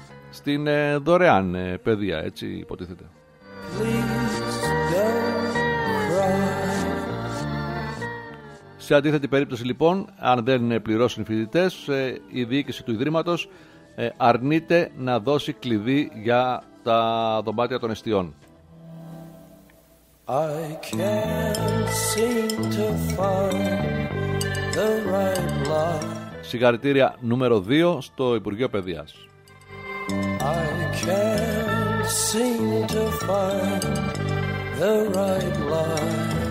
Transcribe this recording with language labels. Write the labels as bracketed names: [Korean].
[Greek] Στην δωρεάν παιδεία, έτσι υποτίθεται. Please don't cry. Σε αντίθετη περίπτωση λοιπόν, αν δεν πληρώσουν οι φοιτητές, η διοίκηση του Ιδρύματος αρνείται να δώσει κλειδί για τα δωμάτια των εστιών. [English] I can't seem to find the right love. [Greek] Συγχαρητήρια νούμερο 2 στο Υπουργείο Παιδείας. [English] I can't seem to find the right line.